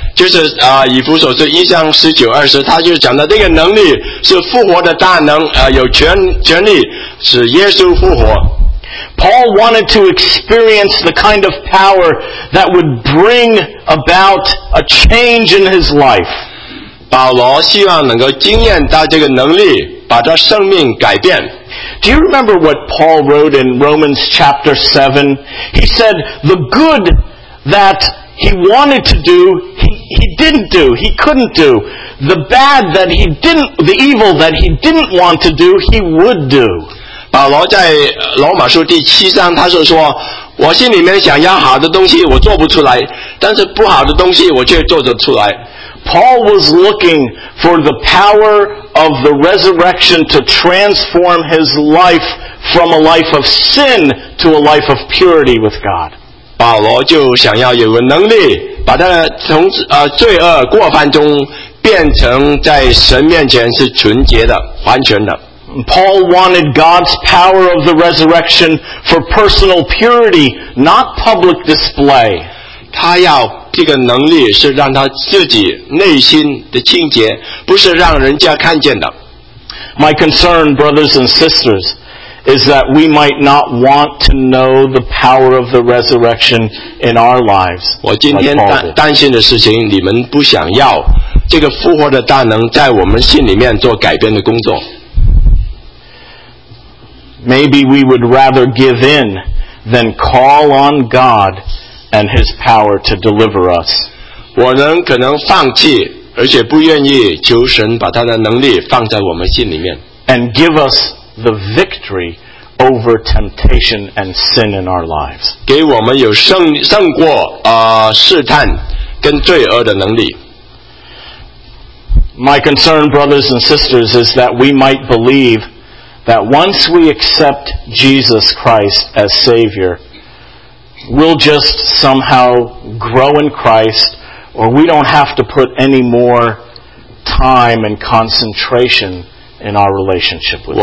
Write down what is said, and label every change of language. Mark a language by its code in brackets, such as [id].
[zh] 就是以弗所书一章十九二十，他就讲到这个能力是复活的大能，有权力使耶稣复活。 [en] Paul wanted to experience the kind of power that would bring about a change in his life. [zh] 保罗希望能够经验到这个能力，把他生命改变。 [en] Do you remember what Paul wrote in Romans chapter 7? He said, the good that he wanted to do, he didn't do, he couldn't do. The bad that he didn't, the evil that he didn't want to do, he would do. [zh] 保罗在罗马书第七章他是说我心里面想要好的东西我做不出来但是不好的东西我却做得出来 [en] Paul was looking for the power of the resurrection to transform his life from a life of sin to a life of purity with God [zh] 保罗就想要有个能力把他从罪恶过犯中变成在神面前是纯洁的完全的 [en] Paul wanted God's power of the resurrection for personal purity, not public display. [zh] 他要这个能力是让他自己内心的清洁，不是让人家看见的。 [en] My concern, brothers and sisters, is that we might not want to know the power of the resurrection in our lives. [zh] 我今天担心的事情，你们不想要这个复活的大能在我们心里面做改变的工作。 [en] Maybe we would rather give in than call on God and His power to deliver us. [zh] 我们可能放弃，而且不愿意求神把他的能力放在我们心里面。 [en] And give us the victory over temptation and sin in our lives. [zh] 给我们有胜过试探跟罪恶的能力。 [en] My concern, brothers and sisters, is that we might believe. That once we accept Jesus Christ as Savior, we'll just somehow grow in Christ, or we don't have to put any more time and concentration in our relationship with Him.